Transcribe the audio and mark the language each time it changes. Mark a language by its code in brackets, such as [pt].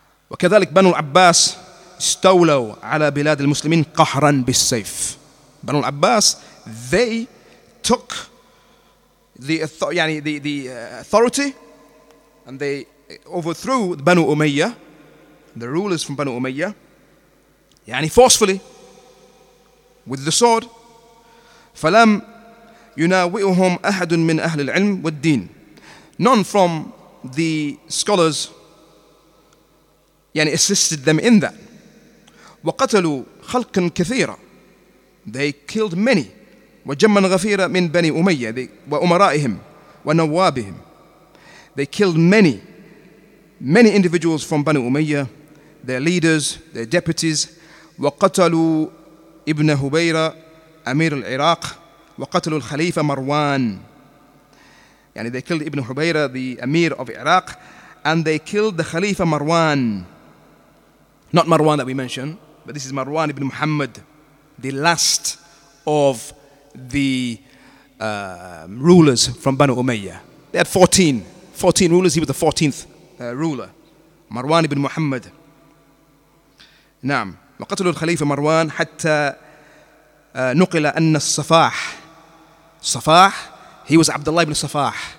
[ar] وكذلك بنو العباس استولوا على بلاد المسلمين قهرا بالسيف. [en] بنو العباس, they took the authority and they overthrew the Banu Umayyah, the rulers from Banu Umayyah, يعني forcefully with the sword. [ar] فلم يناوئهم أحد من أهل العلم والدين. [en] None from the scholars يعني assisted them in that. [ar] وقتلوا خلقا كثيرا. [en] They killed many. [ar] وجمعا غفيرا من بني أمية وأمرائهم ونوابهم. [en] They killed many individuals from Banu Umayyah, their leaders, their deputies. [ar] وقتلوا ابن هبيرة أمير العراق وقتلوا الخليفة مروان. [en] يعني they killed ابن هبيرة, the Emir of Iraq, and they killed the خليفة مروان. Not Marwan that we mentioned, but this is Marwan ibn Muhammad, the last of the rulers from Banu Umayyah. They had 14 rulers. He was the 14th ruler, Marwan ibn Muhammad. [ar] نعم. وقتلوا الخليفة مروان حتى نقل أن الصفاح, صفاح, [en] he was Abdullah ibn Safah.